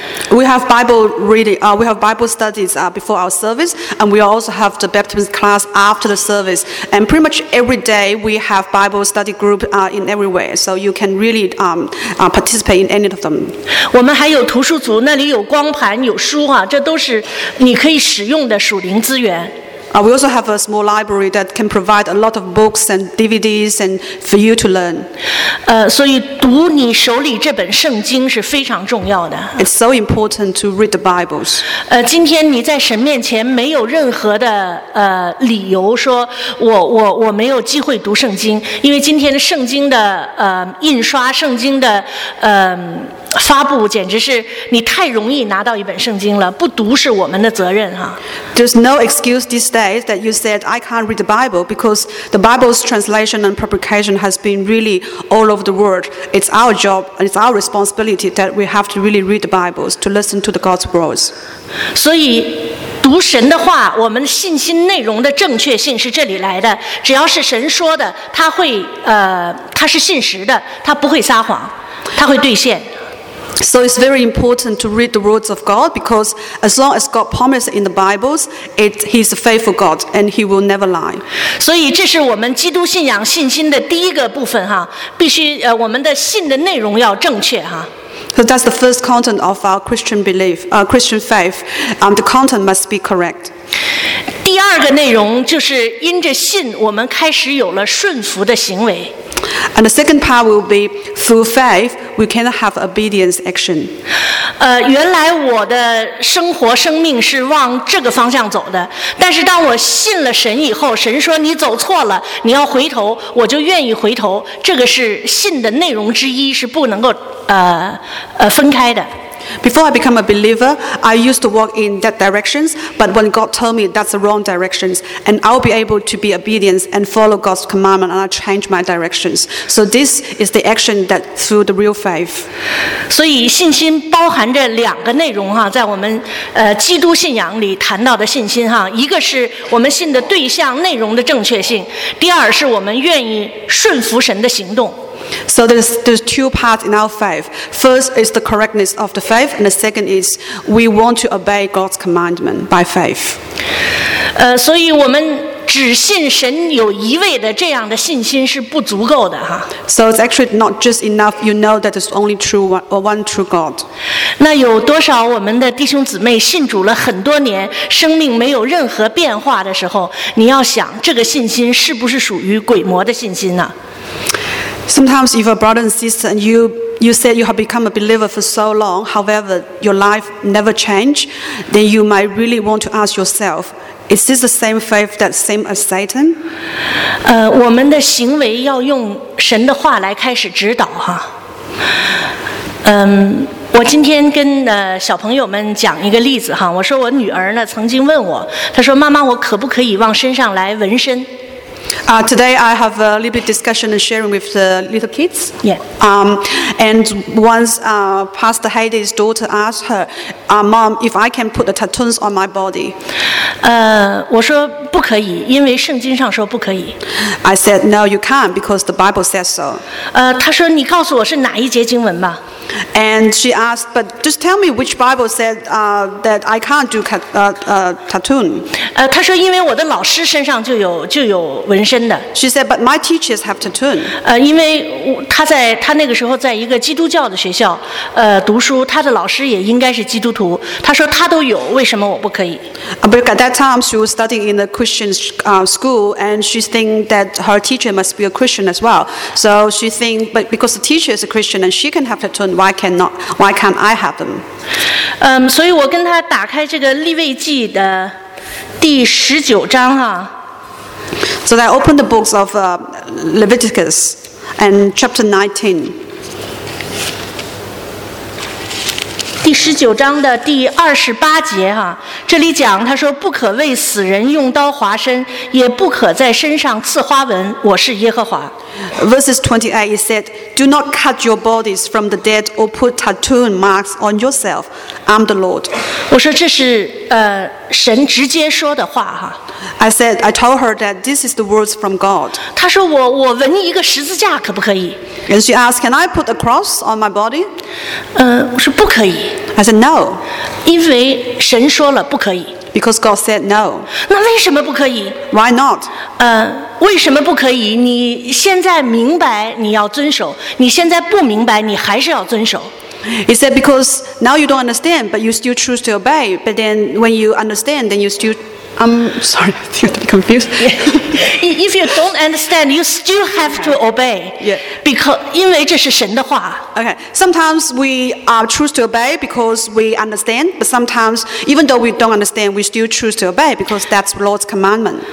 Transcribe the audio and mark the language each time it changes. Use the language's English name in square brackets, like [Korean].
[English] We have Bible reading, we have Bible studies before our service, and we also have the baptism class after the service. And pretty much every day we have Bible study group in everywhere, so you can really participate in any of them. [Chinese] 我们还有图书组，那里有光盘、有书哈，这都是你可以使用的属灵资源。 [English] We also have a small library that can provide a lot of books and DVDs and for you to learn. [Chinese] 所以读你手里这本圣经是非常重要的。 [English] It's so important to read the Bibles. [Chinese] 今天你在神面前没有任何的理由说我没有机会读圣经，因为今天的圣经的印刷、圣经的发布简直是你太容易拿到一本圣经了，不读是我们的责任哈。 [English] There's no excuse these days that you said I can't read the Bible because the Bible's translation and publication has been really all over the world. It's our job and it's our responsibility that we have to really read the Bibles to listen to the God's words. [Chinese] 所以读神的话，我们信心内容的正确性是这里来的。只要是神说的，他会他是信实的，他不会撒谎，他会兑现。 [English] So it's very important to read the words of God because as long as God promises in the Bibles, He's a faithful God and He will never lie. [Chinese] 所以这是我们基督信仰信心的第一个部分哈，必须我们的信的内容要正确哈。 [English] So that's the first content of our Christian belief, Christian faith. The content must be correct. [Chinese] 第二个内容就是因着信，我们开始有了顺服的行为。 [English] And the second part will be through faith, we can have obedience action. [Chinese] 原来我的生活生命是往这个方向走的，但是当我信了神以后，神说你走错了，你要回头，我就愿意回头。这个是信的内容之一，是不能够分开的。 [English] Before I become a believer, I used to walk in that directions, but when God told me that's the wrong directions, and I'll be able to be obedient and follow God's commandment, and I change my directions. So this is the action that through the real faith. [Chinese] 所以信心包含着两个内容哈，在我们基督信仰里谈到的信心哈，一个是我们信的对象内容的正确性，第二是我们愿意顺服神的行动。 [English] So there's two parts in our faith. First is the correctness of the faith, and the second is we want to obey God's commandment by faith. [Chinese] 所以我们只信神有一位的这样的信心是不足够的哈。 [English] So it's actually not just enough. You know that there's only one true God. [Chinese] 那有多少我们的弟兄姊妹信主了很多年，生命没有任何变化的时候，你要想这个信心是不是属于鬼魔的信心呢？ [English] Sometimes if a brother and sister and you said you have become a believer for so long, however, your life never changed, then you might really want to ask yourself, is this the same faith that same as Satan? [Chinese] 我们的行为要用神的话来开始指导哈。我今天跟小朋友们讲一个例子哈，我说我女儿呢曾经问我，她说妈妈，我可不可以往身上来纹身？ [English] Today I have a little bit discussion and sharing with the little kids. Yeah. And once Pastor Heidi's daughter asked her, "Mom, if I can put the tattoos on my body?" [Chinese] 我说不可以，因为圣经上说不可以。 [English] I said, "No, you can't because the Bible says so." [Chinese] 她说你告诉我是哪一节经文吧。 [English] And she asked, "But just tell me which Bible said that I can't do tattoo?" [Chinese] 她说因为我的老师身上就有纹身的。 [English] She said, "But my teachers have tattoo." [Chinese] 因为她那个时候在一个基督教的学校读书，她的老师也应该是基督徒。她说她都有，为什么我不可以 [English] ？But at that time she was studying in a Christian school, and she think that her teacher must be a Christian as well. So she think, but because the teacher is a Christian and she can have tattoo, why can't I have them? [Chinese] 所以我跟她打开这个利未记的第十九章哈。 [English] So I opened the books of Leviticus and chapter 19. [Chinese] 第十九章的第二十八节哈，这里讲他说不可为死人用刀划身，也不可在身上刺花纹，我是耶和华。 [English] Verses 28, it said, "Do not cut your bodies from the dead or put tattoo marks on yourself. I'm the Lord." [Chinese] 我说这是神直接说的话哈。 [English] I said, I told her that this is the words from God. [Chinese] 她说我纹一个十字架可不可以？ [English] And she asked, "Can I put a cross on my body?" [Chinese] 我说不可以。 [English] I said no. [Chinese] 因为神说了不可以。 [English] Because God said no. [Chinese] 那为什么不可以？ [English] Why not? [Chinese] 为什么不可以？你现在明白你要遵守，你现在不明白你还是要遵守。 [English] He said, "Because now you don't understand, but you still choose to obey. But then, when you understand, then you still..." sorry, I think I'm confused. Yeah. If you don't understand, you still have to obey. Yeah. Because this is [Chinese] 神的话。 [English] Okay. Sometimes we choose to obey because we understand, but sometimes even though we don't understand, we still choose to obey because that's Lord's commandment.